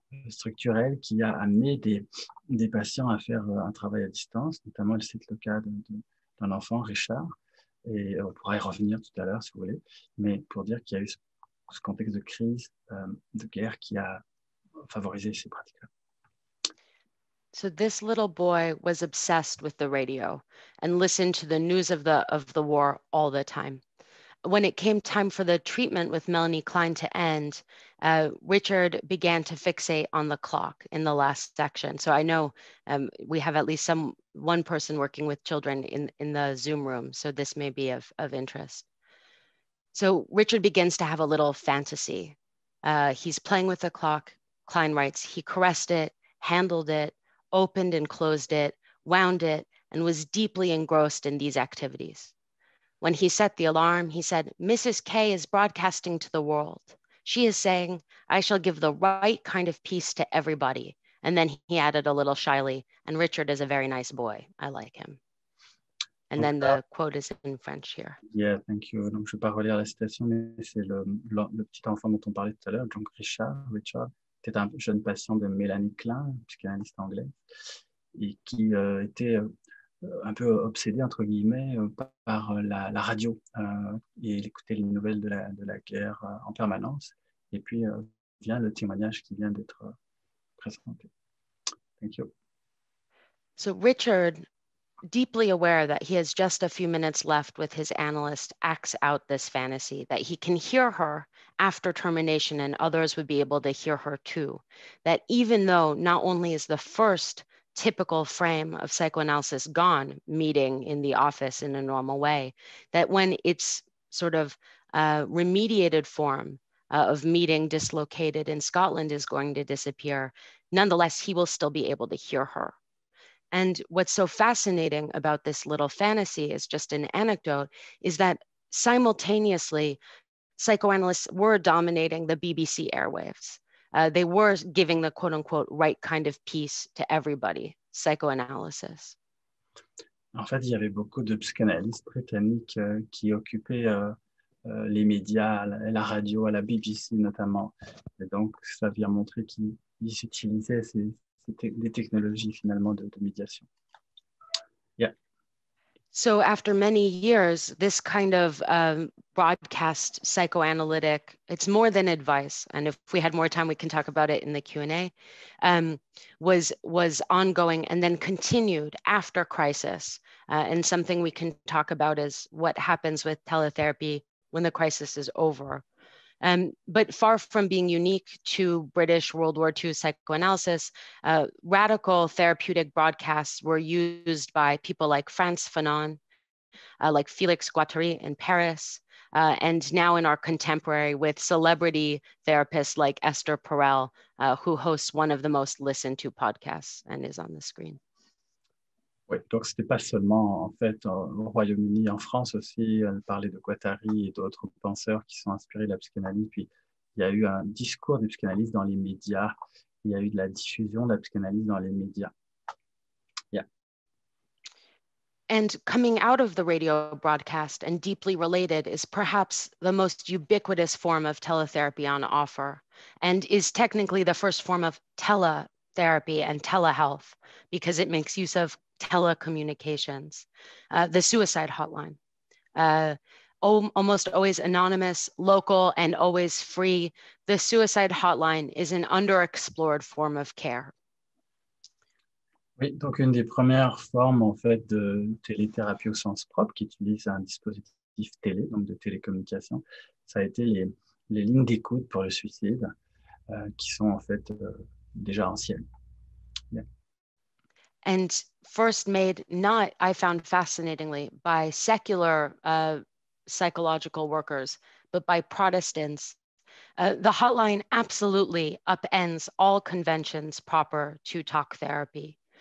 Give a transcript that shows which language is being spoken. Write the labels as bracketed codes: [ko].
[fr] structurelle qui a amené des patients à faire un travail à distance, notamment elle cite le cas d'un enfant, Richard, et on pourra y revenir tout à l'heure si vous voulez, mais pour dire qu'il y a eu ce contexte de crise, de guerre qui a favorisé ces pratiques-là. [en] So this little boy was obsessed with the radio and listened to the news of the war all the time. When it came time for the treatment with Melanie Klein to end, Richard began to fixate on the clock in the last section. So I know we have at least one person working with children in the Zoom room, so this may be of interest. So Richard begins to have a little fantasy. He's playing with the clock, Klein writes. He caressed it, handled it, opened and closed it, wound it, and was deeply engrossed in these activities. When he set the alarm, he said, Mrs. K is broadcasting to the world. She is saying, I shall give the right kind of peace to everybody. And then he added a little shyly, and Richard is a very nice boy. I like him. And then the quote is in French here. Yeah, thank you. [fr] Donc, je ne vais pas relire la citation, mais c'est le petit enfant dont on parlait tout à l'heure, donc Richard, qui est un jeune patient de Mélanie Klein, psychanalyste anglaise, et qui était un peu obsédé, entre guillemets, par la radio. Et il écoutait les nouvelles de la guerre en permanence. Et puis, vient le témoignage qui vient d'être présenté. [en] Thank you. So, Richard, deeply aware that he has just a few minutes left with his analyst, acts out this fantasy that he can hear her after termination and others would be able to hear her too. That even though not only is the first typical frame of psychoanalysis gone, meeting in the office in a normal way, that when it's sort of a remediated form of meeting dislocated in Scotland is going to disappear, nonetheless, he will still be able to hear her. And what's so fascinating about this little fantasy is just an anecdote, is that simultaneously, psychoanalysts were dominating the BBC airwaves. They were giving the quote unquote right kind of peace to everybody, psychoanalysis. [fr] En fait, il y avait beaucoup de psychanalystes britanniques qui occupaient les médias, la radio, la BBC notamment. Et donc, ça vient montrer qu'ils utilisaient des technologies finalement de médiation. [en] Yeah. So after many years, this kind of broadcast psychoanalytic, it's more than advice. And if we had more time, we can talk about it in the Q&A, was ongoing and then continued after crisis. And something we can talk about is what happens with teletherapy when the crisis is over. But far from being unique to British World War II psychoanalysis, radical therapeutic broadcasts were used by people like Frantz Fanon, like Félix Guattari in Paris, and now in our contemporary with celebrity therapists like Esther Perel, who hosts one of the most listened to podcasts and is on the screen. [fr] Oui, donc ce n'était pas seulement en fait au Royaume-Uni, en France aussi, elle parlait de Guattari et d'autres penseurs qui sont inspirés de la psychanalyse. Puis il y a eu un discours des psychanalystes dans les médias, il y a eu de la diffusion de la psychanalyse dans les médias. [en] And coming out of the radio broadcast and deeply related is perhaps the most ubiquitous form of teletherapy on offer and is technically the first form of teletherapy and telehealth because it makes use of telecommunications, the suicide hotline, almost always anonymous, local, and always free. The suicide hotline is an underexplored form of care. [fr] Oui, donc une des premières formes en fait de télétherapie au sens propre qui utilise un dispositif télé, donc de télécommunication, ça a été les lignes d'écoute pour le suicide, qui sont en fait déjà anciennes. [en] Yeah. And first made, not, I found fascinatingly, by secular psychological workers, but by Protestants. The hotline absolutely upends all conventions proper to talk therapy.